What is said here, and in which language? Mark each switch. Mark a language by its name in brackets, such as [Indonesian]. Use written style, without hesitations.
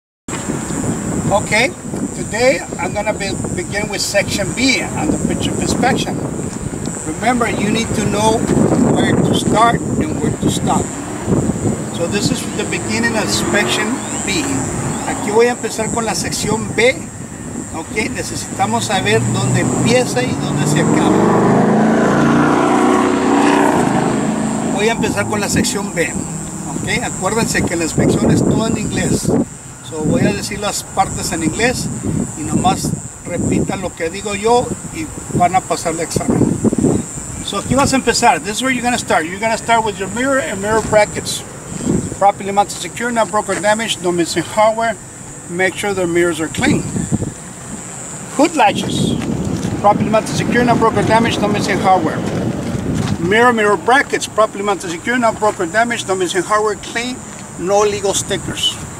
[English] Okay, today I'm gonna begin with section B on the pitch of inspection. Remember, you need to know where to start and where to stop. So this is the beginning of section B. [Spanish] Aquí voy a empezar con la sección B. Ok, necesitamos saber dónde empieza y dónde se acaba. Voy a empezar con la sección B. Ok, acuérdense que la inspección es toda en inglés. So voy a decir las partes en inglés y nomás repitan lo que digo yo y van a pasar el examen. [English] So [Spanish] aquí vas a empezar. [English] This is where you're going to start. You're going to start with your mirror and mirror brackets. Properly mounted, secure, not broken, damaged, no missing hardware. Make sure the mirrors are clean. Hood latches, properly mounted, secure, not broken, damaged, no missing hardware. Mirror brackets, properly mounted, secure, not broken, damaged, no missing hardware, clean, no legal stickers.